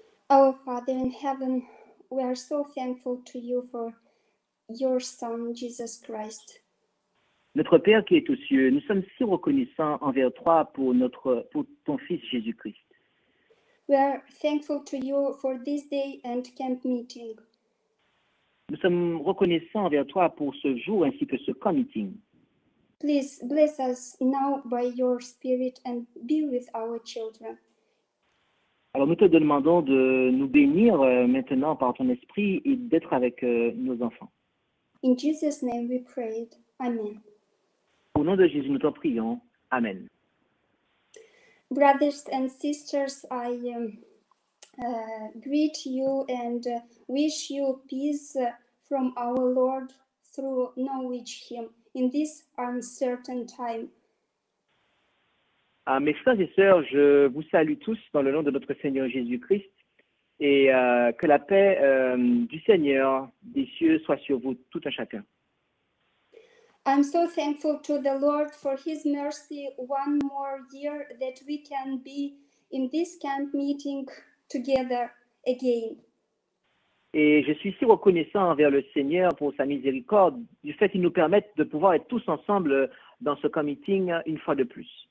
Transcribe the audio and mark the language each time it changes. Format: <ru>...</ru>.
<en>Our Father in heaven, we are so thankful to you for your Son, Jesus Christ.</en> <fr>Notre Père qui es aux cieux, nous sommes si reconnaissants envers toi pour ton Fils Jésus-Christ.</fr> <en>We are thankful to you for this day and camp meeting.</en> <fr>Nous sommes reconnaissants envers toi pour ce jour ainsi que ce camp meeting.</fr> <en>Please bless us now by your Spirit and be with our children.</en> <fr>Alors nous te demandons de nous bénir maintenant par ton esprit et d'être avec nos enfants.</fr> <en>In Jesus' name we prayed. Amen.</en> <fr>Au nom de Jésus, nous t'en prions. Amen.</fr> <en>Brothers and sisters, I greet you and wish you peace from our Lord through knowing Him in this uncertain time.</en> <fr>Mes frères et sœurs, je vous salue tous dans le nom de notre Seigneur Jésus-Christ et que la paix du Seigneur des cieux soit sur vous tout un chacun.</fr> <en>I'm so thankful to the Lord for His mercy one more year that we can be in this camp meeting together again.</en> <fr>Et je suis si reconnaissant envers le Seigneur pour sa miséricorde, du fait qu'il nous permette de pouvoir être tous ensemble dans ce camp meeting une fois de plus.</fr>